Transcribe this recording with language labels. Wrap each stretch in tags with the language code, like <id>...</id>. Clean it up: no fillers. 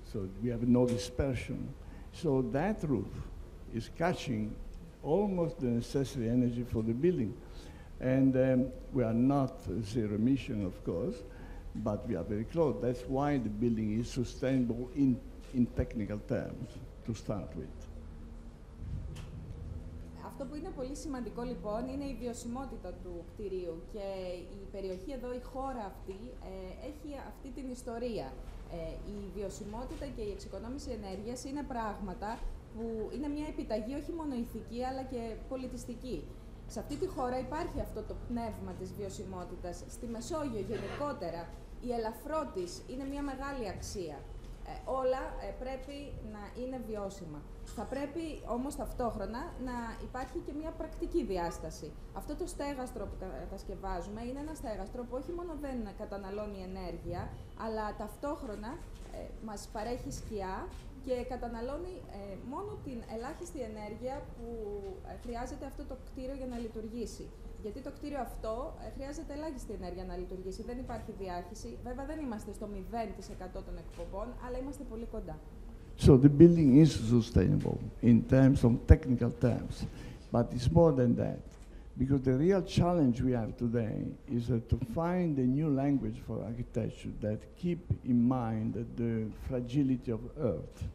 <en>So we have no dispersion. So that roof is catching almost the necessary energy for the building. And we are not zero emission, of course, but we are very close. That's why the building is sustainable in technical terms to start with.</en> <el>Αυτό που είναι πολύ σημαντικό λοιπόν είναι η βιωσιμότητα του κτηρίου και η περιοχή εδώ, η χώρα αυτή, έχει αυτή την ιστορία. Η βιωσιμότητα και η εξοικονόμηση ενέργειας είναι πράγματα που είναι μια επιταγή όχι μόνο ηθική αλλά και πολιτιστική. Σε αυτή τη χώρα υπάρχει αυτό το πνεύμα της βιωσιμότητας. Στη Μεσόγειο γενικότερα η ελαφρότης είναι μια μεγάλη αξία. Όλα πρέπει να είναι βιώσιμα. Θα πρέπει όμως ταυτόχρονα να υπάρχει και μια πρακτική διάσταση. Αυτό το στέγαστρο που κατασκευάζουμε είναι ένα στέγαστρο που όχι μόνο δεν καταναλώνει ενέργεια, αλλά ταυτόχρονα μας παρέχει σκιά και καταναλώνει μόνο την ελάχιστη ενέργεια που χρειάζεται αυτό το κτίριο για να λειτουργήσει. Γιατί το κτίριο αυτό χρειάζεται ελάχιστη ενέργεια να λειτουργήσει. Δεν υπάρχει διάχυση. Βέβαια, δεν είμαστε στο 0% των εκπομπών, αλλά είμαστε πολύ κοντά.</el> <en>So the building is sustainable in terms of technical terms, but it's more than that. Because the real challenge we have today is to find a new language for architecture that keep in mind the fragility of Earth.</en>